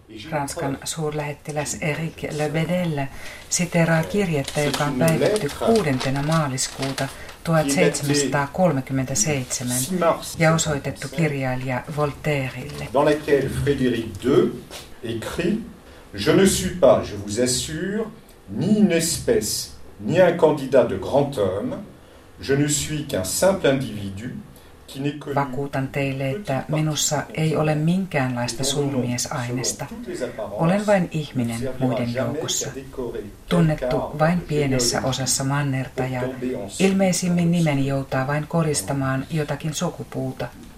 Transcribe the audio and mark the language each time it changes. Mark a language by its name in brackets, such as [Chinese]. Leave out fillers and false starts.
[Finnish] Ranskan suurlähettiläs Eric Le Bedelle siteraa kirjettä, joka on päivitetty 6. maaliskuuta 1737 ja osoitettu kirjailija Voltairelle. [French] Dans laquelle Frédéric II écrit: Je ne suis pas, je vous assure, ni une espèce, ni un candidat de grand homme. Je ne suis qu'un simple individu. [Finnish] Vakuutan teille, että minussa ei ole minkäänlaista suurmiesainesta. Olen vain ihminen muiden joukossa, tunnettu vain pienessä osassa mannerta ja ilmeisimmin nimeni joutaa vain koristamaan jotakin sukupuuta.